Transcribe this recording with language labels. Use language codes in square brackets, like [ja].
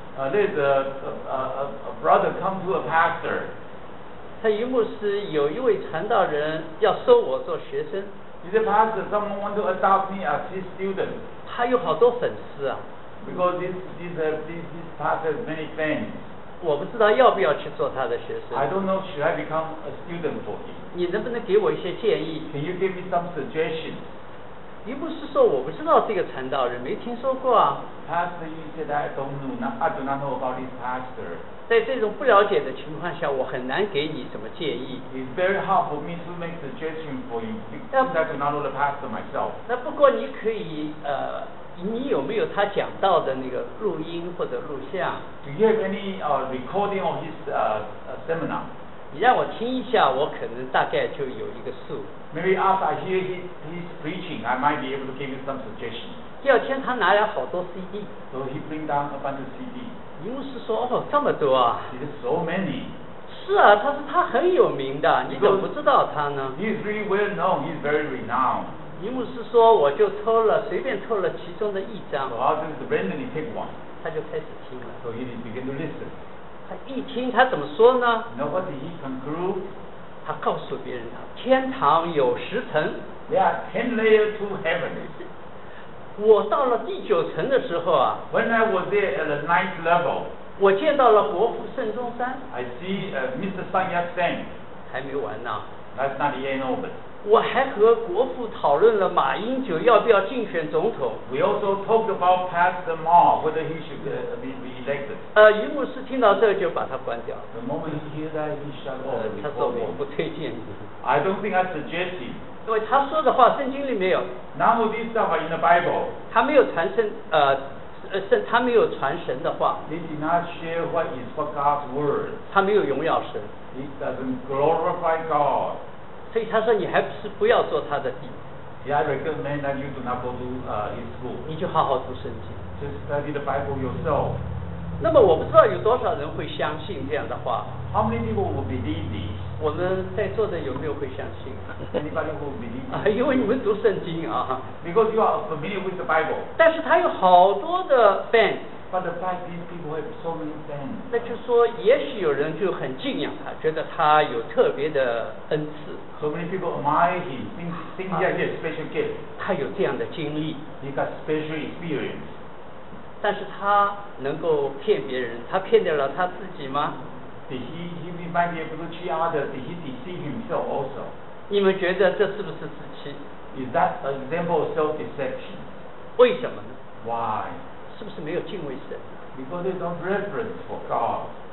[en] There's a brother come to a pastor. [zh] 他于牧师有一位传道人要收我做学生。 [en] He said, Pastor, someone want to adopt me as his student. [zh] 他有好多粉丝啊。 [en] Because this pastor has many fans. [zh] 我不知道要不要去做他的学生。 [en] I don't know, should I become a student for him? [zh] 你能不能给我一些建议? [en] Can you give me some suggestions? [zh] 于牧师说我不知道这个传道人，没听说过啊。 [en] Pastor, you said I do not know about this pastor. [zh] 在这种不了解的情况下，我很难给你什么建议。 [en] It's very hard for me to make suggestions for you because I do not know the pastor myself. [zh] 那不过你可以，你有没有他讲到的那个录音或者录像？ [en] Do you have any recording of his seminar? [zh] 你让我听一下，我可能大概就有一个数。 [en] Maybe after I hear his preaching, I might be able to give you some suggestions. [zh] 第二天他拿来好多 CD. [en] So he bring down a bunch of CD. [zh] 于牧师说，这么多啊。 [en] He said so many. [zh] 是啊，他很有名的，你怎么不知道他呢？ [en] He's really well known, he's very renowned. [zh] 于牧师说，我就随便抽了其中的一张。 [en] So I'll just randomly take one. [zh] 他就开始听了。 [en] So he began to listen. [zh] 他一听，他怎么说呢？ [en] Now what did he conclude? [zh] 他告诉别人，天堂有10层。 [en] There are 10 layers to heaven. [zh] 我到了第9层的时候啊。 [en] When I was there at the 9th level. [zh] 我见到了国父孙中山。 [en] I see Mr. Sun Yat-sen. [zh] 还没完呢。 [en] That's not the end of it. [zh] 我还和国父讨论了马英九要不要竞选总统。 [en] We also talked about Pastor Ma whether he should be reelected. [zh] 于牧师听到这就把他关掉。 [en] The moment he hears that, he shut off. [zh] 他说我不推荐。 [en] I don't think I suggest him. [zh] 因为他说的话圣经里没有。 [en] None of these stuff are in the Bible. [zh] 他没有传圣他没有传神的话。 [en] He did not share what is for God's word. [zh] 他没有荣耀神。 [en] He doesn't glorify God. [zh] 所以他说你还不是不要做他的弟子。 [en] Yeah, I recommend that you do not go to his school. [zh] 你就好好读圣经。 [en] Just study the Bible yourself. [zh] 那么我不知道有多少人会相信这样的话。 [en] How many people will believe this? [zh] 我们在座的有没有会相信？ [en] Anybody who believe? [zh] 因为你们读圣经啊。 [en] Because you are familiar with the Bible. [zh] 但是他有好多的 fans。 [en] But the fact these people have so many fans. [zh] 那就说也许有人就很敬仰他，觉得他有特别的恩赐。 [en] So many people admire him, think he has a special gift. [zh] 他有这样的经历。 [en] He got special experience. [zh] 但是他能够骗别人，他骗得了他自己吗？ [en] Did he might be able to cheat others? Did he deceive himself also? [zh] 你们觉得这是不是自欺？ [en] Is that an example of self-deception? [zh] 为什么呢？ [en] Why? [zh] 是不是没有敬畏神？ [en] Because they don't reverence for God.